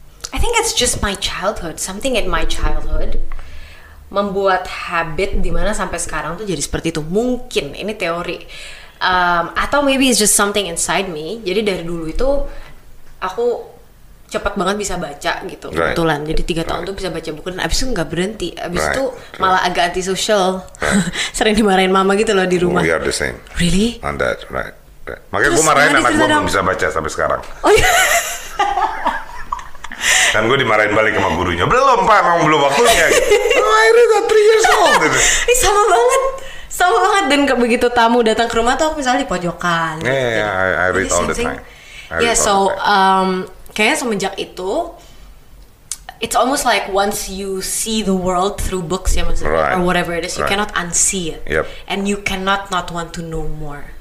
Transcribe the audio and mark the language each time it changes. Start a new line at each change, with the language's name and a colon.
English: I think it's just my childhood, something in my childhood
Indonesian: membuat habit dimana sampai sekarang tuh jadi seperti itu. Mungkin, ini teori.
English: Atau maybe it's just something inside me.
Indonesian: Jadi dari dulu itu, aku cepat banget bisa baca gitu, kebetulan.
English: Right.
Indonesian: Jadi 3 tahun tuh bisa baca buku, dan abis itu nggak berhenti. Abis itu malah agak antisosial. Sering dimarahin mama gitu loh di rumah.
English: We are the same. Really? On that, right.
Indonesian: Makanya gue marahin anak gue belum bisa baca sampai sekarang. Oh iya? Dan gue dimarahin balik sama gurunya. Belum, Pak, emang belum waktunya. Akhirnya
English: 3 years old.
Indonesian: Ih, sama banget. Sama banget. Dan begitu tamu datang ke rumah tuh, aku misalnya di pojokan.
English: Yeah, I read all the time. Yeah,
Indonesian: so kayaknya semenjak itu,
English: it's almost like once you see the world through books,
Indonesian: ya, maksudnya,
English: or whatever it is, you cannot unsee it. Yep. And you cannot not want to know more.